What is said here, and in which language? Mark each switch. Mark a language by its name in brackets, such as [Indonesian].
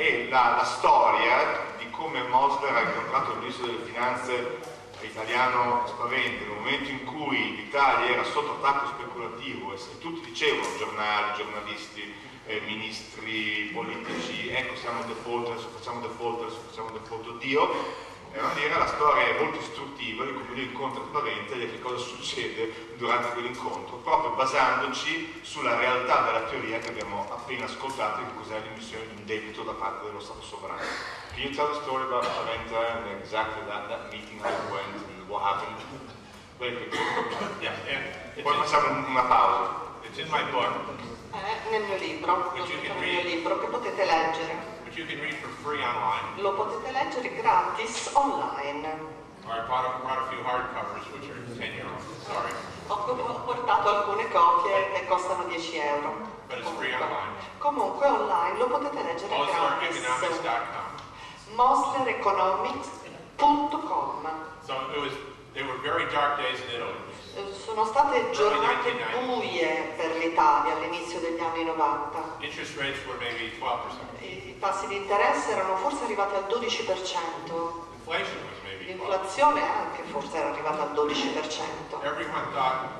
[Italian] La storia di come Mosler ha incontrato il ministro delle finanze italiano Spaventa, nel momento in cui l'Italia era sotto attacco speculativo e tutti dicevano, giornali, giornalisti, ministri, politici, ecco siamo default, adesso facciamo default, adesso facciamo default, oddio, la storia è molto istruttiva di come lui incontra Spaventa e che cosa succede durante quell'incontro, proprio basandoci sulla realtà della teoria che abbiamo appena ascoltato di cos'è l'emissione di un debito da parte dello Stato sovrano. [English] Can you tell the story about Spaventa and exactly that meeting that went and what happened? [Italian] Poi facciamo una pausa. [English] It's in my book. [Italian] Nel mio libro che potete leggere. [English] You can read for free online. [Italian] Lo potete leggere gratis online. [English] I brought a few hardcovers which are 10 euros. Sorry. [Italian] Ho portato alcune copie che costano 10 euro. [English] But it's free online. [Italian] Comunque online lo potete leggere gratis. MoslerEconomics.com. [English] So they were very dark days in Italy. [Italian] Sono state giornate buie per l'Italia all'inizio degli anni 90. [English] Interest rates were maybe 12%. [Italian] I tassi di interesse erano forse arrivati al 12%. [English] Inflation was maybe 12%. [Italian] L'inflazione anche forse era arrivata al 12%. [English] Everyone thought